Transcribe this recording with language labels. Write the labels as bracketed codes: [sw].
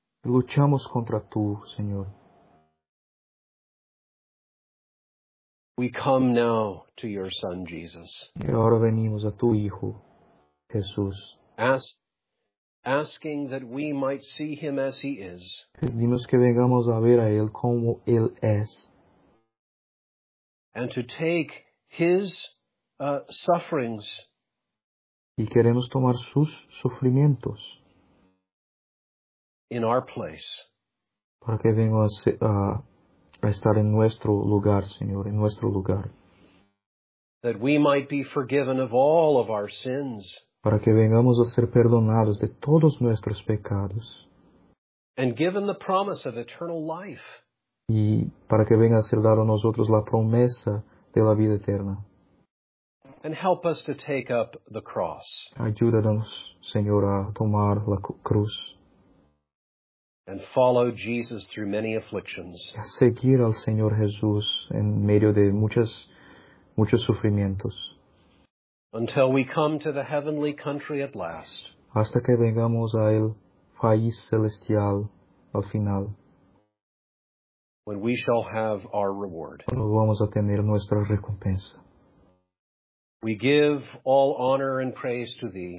[es] Luchamos contra tú, Señor. [en] We come now to your Son Jesus. [es] Y ahora venimos a tu Hijo, Jesús. [en] Asking that we might see him as he is. [es] Pedimos que vengamos a ver a él como él es. [en] And to take his sufferings. [es] Y queremos tomar sus sufrimientos. [en] In our place. [es] Para que venga a estar en nuestro lugar, Señor, en nuestro lugar. [en] That we might be forgiven of all of our sins. [es] Para que vengamos a ser perdonados de todos nuestros pecados. [en] And given the promise of eternal life. [es] Y para que venga a ser dado a nosotros la promesa de la vida eterna. [en] And help us to take up the cross. [es] Ayúdanos, Señor, a tomar la cruz. [en] And follow Jesus through many afflictions. [es] A seguir al Señor Jesús en medio de muchos sufrimientos. [en] Until we come to the heavenly country at last. [es] Hasta que vengamos a el país celestial al final. [en] When we shall have our reward. [es] Cuando vamos a tener nuestra recompensa. [en] We give all honor and praise to thee.